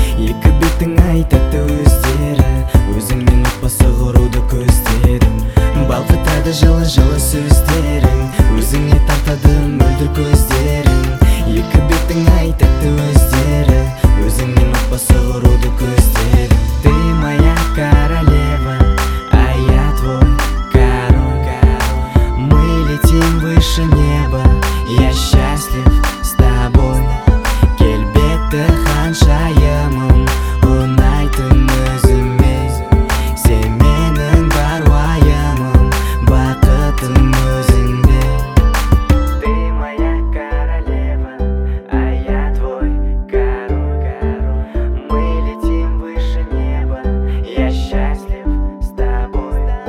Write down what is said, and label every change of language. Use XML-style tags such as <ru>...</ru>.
<kk>Екі бетің айтады өздері, өзіңмен отбасы құруды көздедім. Балқытады жылы-жылы сөздерің, өзіңе тартады мөлдір көздерің. Екі бетің айтады өздері, өзіңмен отбасы құруды көздедім.</kk> <ru>Ты моя королева, а я твой король. Мы летим выше неба, я счастлив с тобой.</ru> <kk>Келбеті ханшайымым, ұнайтын өзіме. Сен менің бар уайымым, бақытым өзіңде.</kk> <ru>Ты моя королева, а я твой король. Мы летим выше неба, я счастлив с тобой.</ru>